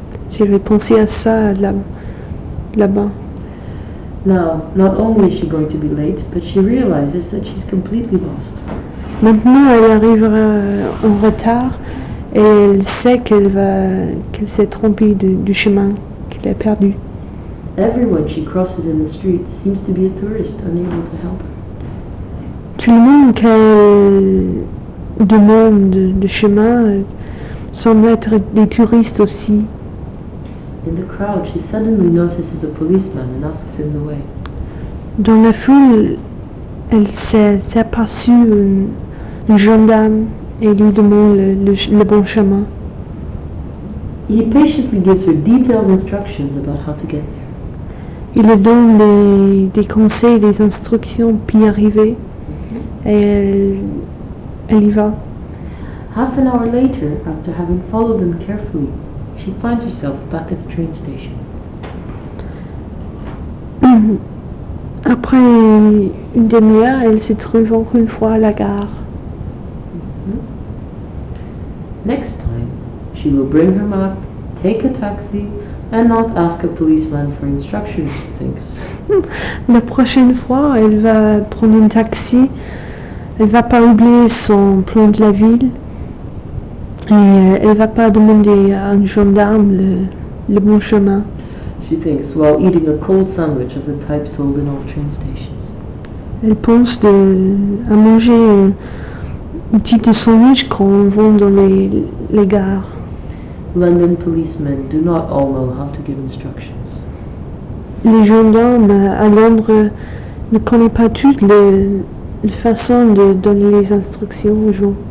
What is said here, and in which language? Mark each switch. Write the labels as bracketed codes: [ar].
[fr] S'il avait pensé à ça là-bas. [en] Now, not only is she going to be late, but she realizes that she's completely lost. [fr] Maintenant, elle arrivera en retard et elle sait qu'elle s'est trompée du chemin. Elle est perdue. [en] Everyone she crosses in the street seems to be a tourist unable to help her. [fr] Tout le monde qu'elle demande de chemin semble être des touristes aussi. [en] In the crowd, she suddenly notices a policeman and asks him the way. [fr] Dans la foule, elle s'est aperçue un gendarme et lui demande le bon chemin. [en] He patiently gives her detailed instructions about how to get there. [fr] Il lui donne des conseils, des instructions pour y arriver. Mm-hmm. Et elle y va. [en] Half an hour later, after having followed them carefully, she finds herself back at the train station. [fr] Après une demi-heure, elle se trouve encore une fois à la gare. Mm-hmm. [en] Next time, she will bring her map, take a taxi, and not ask a policeman for instructions, she thinks. [fr] La prochaine fois, elle va prendre un taxi. Elle va pas oublier son plan de la ville. Et elle va pas demander à un gendarme le bon chemin. [en] She thinks while eating a cold sandwich of the type sold in all train stations. [fr] Elle pense à manger un type de sandwich qu'on vend dans les gares. [en] London policemen do not all know how to give instructions. [fr] Les gendarmes à Londres ne connaissent pas toutes les façons de donner les instructions aux gens.